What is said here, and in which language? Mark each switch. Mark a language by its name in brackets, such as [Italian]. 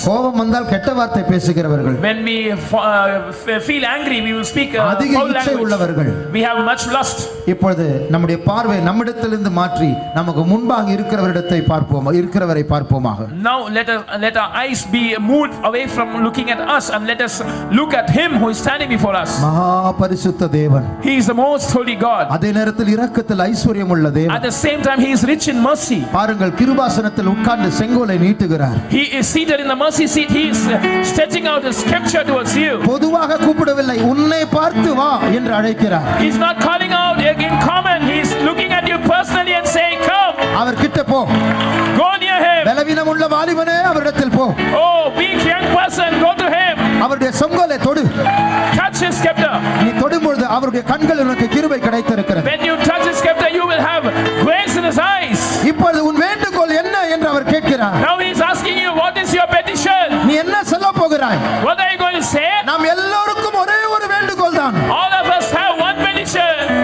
[Tamil] கோபம் வந்தால் கெட்ட வார்த்தை பேசுகிறவர்கள். [English] When we feel angry, we will speak foul language. [Tamil] அதிக இச்சை உள்ளவர்கள். [English] We have much lust. [Tamil] இப்பொழுது நம்முடைய பார்வை நம்மிடத்திலிருந்து மாற்றி நமக்கு முன்பாக இருக்கிறவரிடத்தை பார்ப்போம் இருக்கிறவரை பார்ப்போமாக. [English] Now let our eyes be moved away from looking at us and let us look at him who is standing before us. [Tamil] மகா பரிசுத்த தேவன். [English] He is the most holy God. [Tamil] அதே நேரத்தில் இரக்கத்தில் ஐஸ்வர்யம் உள்ள தேவன். [English] At the same time he is rich in mercy. [Tamil] பாருங்கள் கிருபாசனத்தில் உட்கார்ந்து செங்கோலை நீட்டுகிறார். [English] He is seated in the mercy seat. He is stretching out his scepter towards you. [Tamil] பொதுவாக கூப்பிடவில்லை உன்னை பார்த்து வா என்று அழைக்கிறார். [English] He is not calling out again come and he is looking at you personally and saying come. [Tamil] அவர் கிட்ட போ. [English] Go near him. [Tamil] பலவீனம் உள்ள வாலிபனே அவரிடத்தில் போ. [English] Oh weak young person go to him. [Tamil] அவருடைய செங்கோலை தொடு. [English] Touch his scepter. [Tamil] நீ தொடும்போது அவருடைய கண்கள் உனக்கு கிருபை கிடைத்திருக்கிறது. [English] When you touch his scepter you will have grace in his eyes. [Tamil] இப்பொழுது உன் வேண்டுகோள் என்ன என்று அவர் கேட்கிறார். [English] Now he is asking you what is your petition. [Tamil] நீ என்ன சொல்ல போகிறாய்? [English] What are you going to say? [Tamil] நாம் எல்லோருக்கும் ஒரே ஒரு வேண்டுகோள் தான். [English] All of us have one petition.